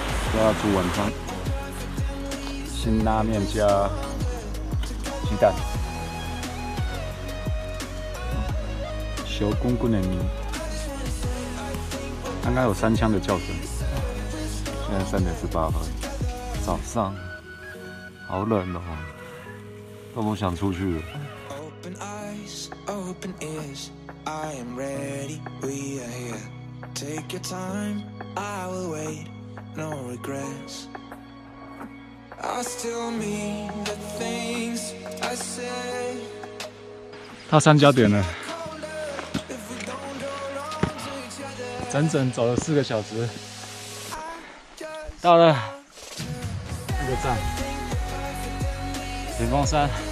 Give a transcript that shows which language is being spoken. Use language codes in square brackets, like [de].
[zh] 就要煮晚餐，辛拉面加鸡蛋，小滚滚的面。刚刚有三枪的叫声，现在3:18。早上好冷哦，都不想出去了。 [en] Open eyes, open ears, I am ready, we are here. Take your time, I will wait, no regrets. I still mean the things I say. [zh] 到三角点了，整整走了4个小时，到了一个站，屏风山。